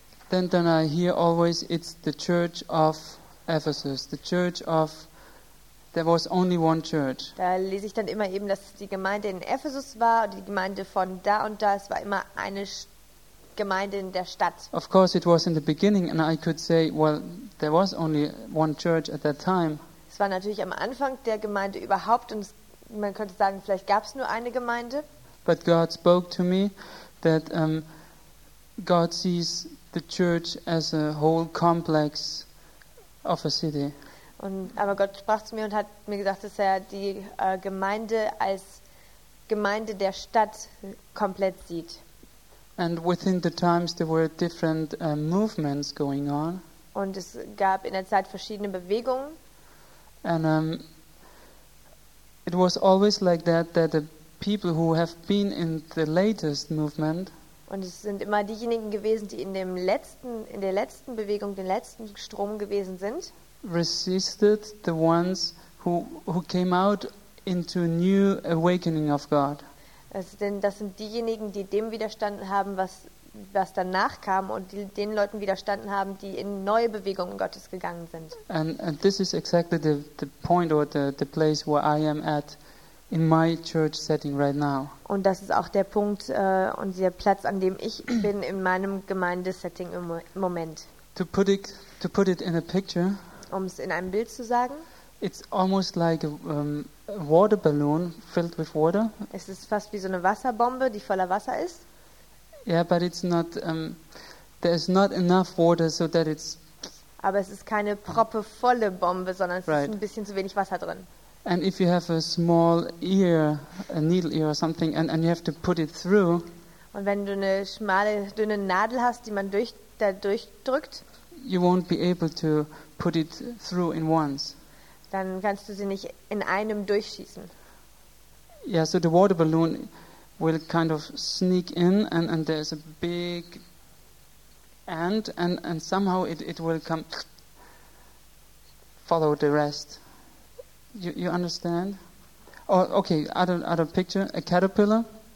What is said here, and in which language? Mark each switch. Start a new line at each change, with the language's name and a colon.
English: then I hear always it's the church of Ephesus, the church of, there was only one church.
German: Da lese ich dann immer eben, dass die Gemeinde in Ephesus war und die Gemeinde von da und da, es war immer eine Gemeinde in der Stadt.
English: Of course it was in the beginning and I could say, well, there was only one church at that time.
German: Es war natürlich am Anfang der Gemeinde überhaupt und man könnte sagen, vielleicht gab es nur eine Gemeinde.
English: But God spoke to me that God sees the church as a whole complex of a city.
German: Und aber Gott sprach zu mir und hat mir gesagt, dass er die Gemeinde als Gemeinde der Stadt komplett sieht.
English: And within the times there were different movements going on.
German: Und es gab in der Zeit verschiedene Bewegungen.
English: And it was always like that the people who have been in the latest movement,
German: und es sind immer diejenigen gewesen, die in der letzten Bewegung, den letzten Strom gewesen sind,
English: resisted the ones who came out into a new awakening of God.
German: Das sind diejenigen, die dem widerstanden haben, was danach kam, und die den Leuten widerstanden haben, die in neue Bewegungen Gottes gegangen sind.
English: And this is exactly the point or the place where I am at in my church setting right now.
German: Und das ist auch der Punkt und der Platz, an dem ich bin in meinem Gemeindesetting im Moment.
English: To put it in a picture,
German: um es in einem Bild zu sagen,
English: it's almost like a water balloon filled with water.
German: Es ist fast wie so eine Wasserbombe, die voller Wasser ist.
English: Yeah, but it's not there is not enough water so that it's,
German: aber es ist keine proppevolle Bombe, sondern es ist ein bisschen zu wenig Wasser drin.
English: And if you have a small ear, a needle ear or something, and you have to put it through,
German: und wenn du eine schmale, dünne Nadel hast, die man dadurch drückt,
English: you won't be able to put it through in once.
German: Dann kannst du sie nicht in einem durchschießen.
English: Yeah, so the water balloon will kind of sneak in and there's a big end and somehow it will come follow the rest. You understand? Oh, okay, other picture, a caterpillar.